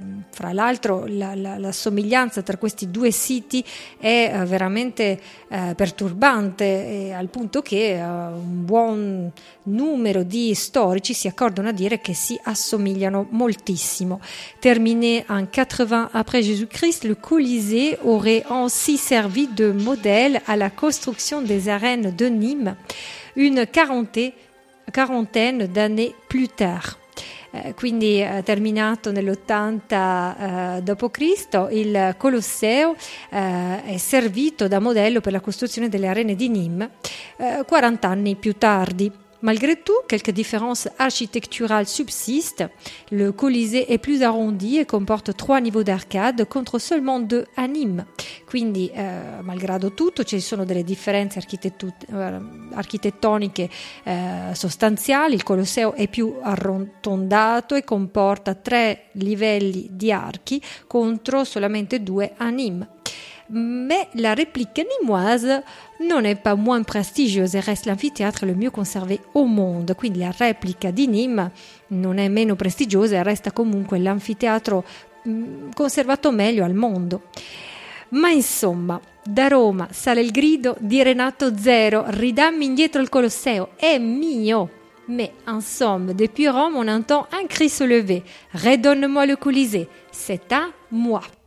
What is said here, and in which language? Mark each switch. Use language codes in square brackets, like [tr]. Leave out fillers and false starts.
[it] fra l'altro la somiglianza tra questi due siti è veramente perturbante, al punto che un buon numero di storici si accordano a dire che si assomigliano moltissimo. [fr] Terminé en 80 après Jésus-Christ, le Colisée aurait ainsi servi de modèle à la construction des arènes de Nîmes une quarantaine d'années plus tard. [it] Quindi terminato nell'80 d.C., il Colosseo è servito da modello per la costruzione delle arene di Nîmes 40 anni più tardi. [fr] Malgré tout, quelques différences architecturales subsistent. Le Colisée est plus arrondi et comporte 3 niveaux d'arcade contre seulement 2 à Nîmes. [it] Quindi, malgrado tutto, ci sono delle differenze architettoniche sostanziali. Il Colosseo è più arrotondato e comporta 3 livelli di archi contro solamente 2 a Nîmes. [fr] Mais la réplique nîmoise non est pas moins prestigieuse et reste l'amphithéâtre le mieux conservé au monde. [it] Quindi la réplique di Nîmes non è meno prestigiosa e resta comunque l'amfiteatro conservato meglio al mondo. Ma insomma, da Roma sale il grido di Renato Zero: ridammi indietro il Colosseo, è mio! [fr] Mais en somme, depuis Rome on entend un cri se lever: redonne-moi le Colisée, c'est à moi!